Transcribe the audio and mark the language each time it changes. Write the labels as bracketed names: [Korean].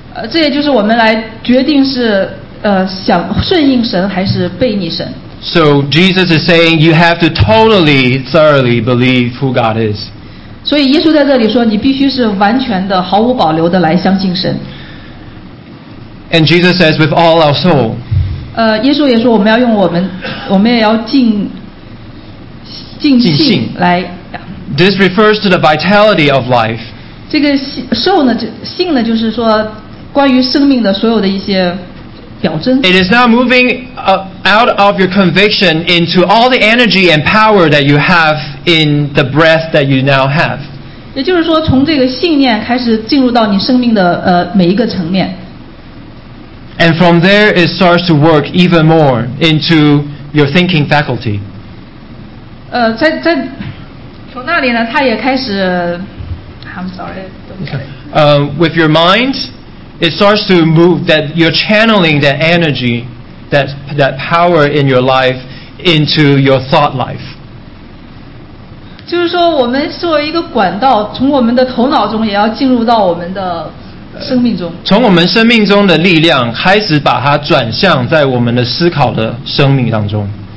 [Chinese] 这也就是我们来决定是想顺应神还是背逆神。 [English] So Jesus is saying you have to totally, thoroughly believe who God is. [Chinese] 所以耶稣在这里说，你必须是完全的、毫无保留的来相信神。 [English] And Jesus says with all our soul. [Chinese] 耶稣也说我们也要尽兴来。 [English] This refers to the vitality of life. [Chinese] 这个兽呢，性呢，就是说关于生命的所有的一些表征。 [English] It is now moving out of your conviction into all the energy and power that you have in the breath that you now have. [Chinese] 也就是说，从这个信念开始进入到你生命的每一个层面。 [English] And from there, it starts to work even more into your thinking faculty. [Chinese] 在从那里呢，他也开始。 [English] I'm sorry. With your mind, it starts to move that you're channeling that energy, that power in your life into your thought life. [Chinese] 就是说，我们作为一个管道，从我们的头脑中也要进入到我们的生命中。从我们生命中的力量开始把它转向在我们的思考的生命当中。